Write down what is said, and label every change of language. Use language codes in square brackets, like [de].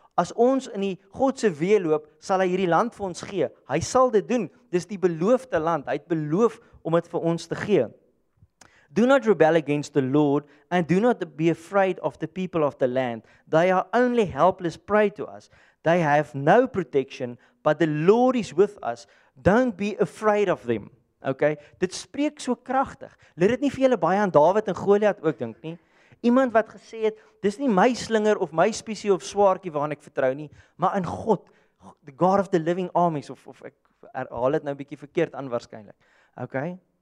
[af] As ons in die God se weë loop, sal hy hierdie land vir ons gee. Hy sal dit doen. Dis die beloofde land. Hy het beloof om dit vir ons te gee. [en] Do not rebel against the Lord and do not be afraid of the people of the land. They are only helpless prey to us. They have no protection, but the Lord is with us. Don't be afraid of them. Okay? [af] Dit spreek so kragtig. Laat dit nie vir julle baie aan Dawid en Goliat ook dink nie. Iemand wat gesê het, dis nie my slinger of my spesie of swaartjie waaraan ek vertrou nie, maar in God, [en] the God of the living armies, [af] of ek herhaal dit nou 'n bietjie verkeerd aan waarskynlik. Okay?